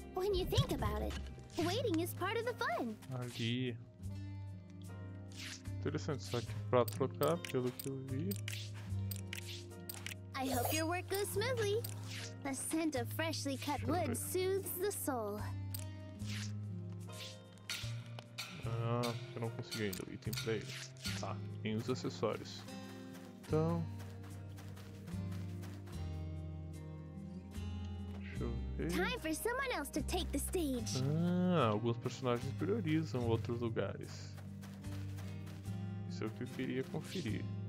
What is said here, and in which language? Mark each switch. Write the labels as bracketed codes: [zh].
[en] When you think about it, waiting is part of the fun. [pt] Ali. Interessante, só que pra trocar, pelo que eu vi. [en] I hope your work goes smoothly. The scent of freshly cut wood soothes the soul. [pt] Ah, eu não consegui ainda o item pra ele. Tá, tem os acessórios. Então... deixa eu ver... [en] Time for someone else to take the stage. [pt] Alguns personagens priorizam outros lugares. Isso eu preferia conferir.